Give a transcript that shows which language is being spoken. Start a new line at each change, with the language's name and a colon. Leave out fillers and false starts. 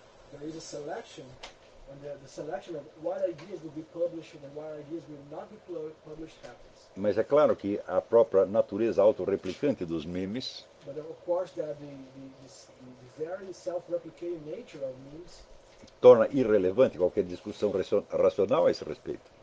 English: There is a selection, and the selection of what ideas will be published and what ideas will not be published happens.
Portuguese: Mas é claro que a própria natureza autorreplicante dos memes.
English: But of course that the very self-replicating nature of memes
Portuguese: torna irrelevante qualquer discussão racional a esse respeito.